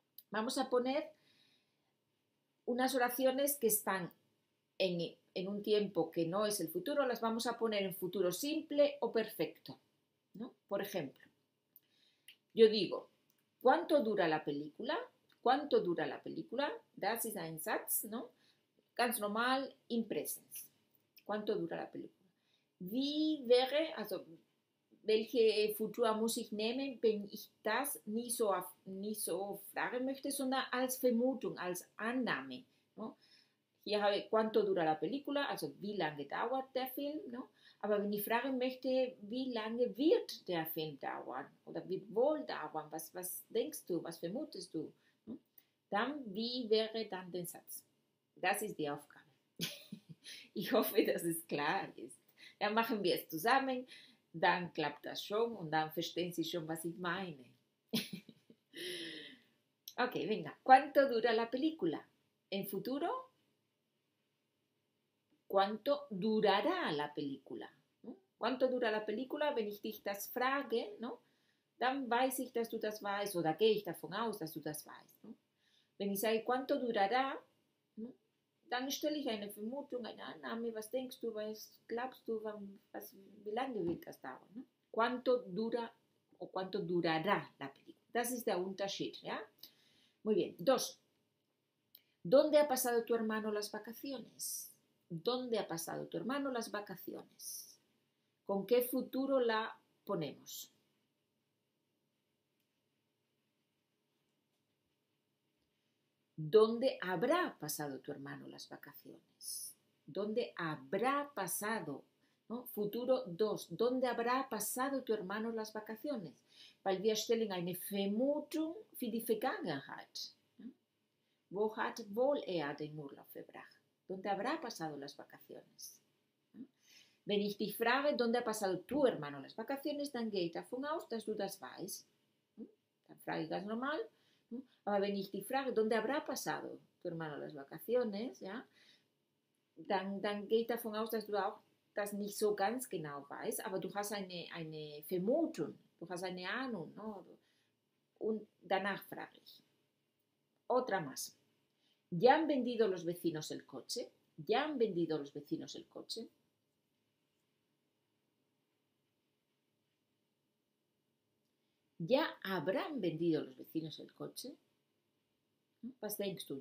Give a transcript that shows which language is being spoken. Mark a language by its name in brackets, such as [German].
[Spanish] Vamos a poner unas oraciones que están en un tiempo que no es el futuro, las vamos a poner en futuro simple o perfecto, ¿no? Por ejemplo, yo digo, ¿cuánto dura la película? ¿Cuánto dura la película? [German] Das ist ein Satz, ¿no? Ganz normal, in presens. [Spanish] ¿Cuánto dura la película? [German] Wie wäre, also, welche Futur muss ich nehmen, wenn ich das nicht so fragen möchte, sondern als Vermutung, als Annahme, ¿no? Hier habe ich, [Spanish] ¿cuánto dura la película? [German] Also, wie lange dauert der Film? No? Aber wenn ich fragen möchte, wie lange wird der Film dauern? Oder wird wohl dauern? Was denkst du? Was vermutest du? No? Dann, wie wäre dann der Satz? Das ist die Aufgabe. Ich hoffe, dass es klar ist. Dann machen wir es zusammen, dann klappt das schon und dann verstehen Sie schon, was ich meine. [Spanish] Ok, venga. ¿Cuánto dura la película? ¿En futuro? ¿Cuánto durará la película? ¿Cuánto dura la película? [German] Wenn ich dich das frage, ¿no? Dann weiß ich, dass du das weißt, oder gehe ich davon aus, dass du das weißt, ¿no? Wenn ich sage, [Spanish] ¿cuánto durará? [German] Dann stelle ich eine Vermutung, eine Annahme. Was denkst du, was glaubst du, wie lange wird das dauern? Ne? [Spanish] ¿Cuánto dura o cuánto durará la película? [German] Das ist der Unterschied, ¿ya? [Spanish] Muy bien. Dos. ¿Dónde ha pasado tu hermano las vacaciones? ¿Dónde ha pasado tu hermano las vacaciones? ¿Con qué futuro la ponemos? ¿Dónde habrá pasado tu hermano las vacaciones? ¿Dónde habrá pasado? ¿No? Futuro 2. ¿Dónde habrá pasado tu hermano las vacaciones? [German] Weil wir stellen eine Vermutung für die Vergangenheit. Wo hat wohl er den Urlaub verbracht? [Spanish] ¿Dónde habrá pasado las vacaciones? [German] Wenn ich dich frage, [Spanish] ¿dónde ha pasado tu hermano las vacaciones? [German] Dann gehe ich davon aus, dass du das weißt. Dann frage ich ganz normal. Aber wenn ich dich frage, [Spanish] ¿dónde habrá pasado tu hermano las vacaciones? [German] Ja, dann gehe ich davon aus, dass du auch das nicht so ganz genau weißt, aber du hast eine Vermutung, du hast eine Ahnung, ¿no? Und danach frage ich. [Spanish] Otra más. ¿Ya han vendido los vecinos el coche? ¿Ya han vendido los vecinos el coche? ¿Ya habrán vendido los vecinos el coche? [German] Was denkst du?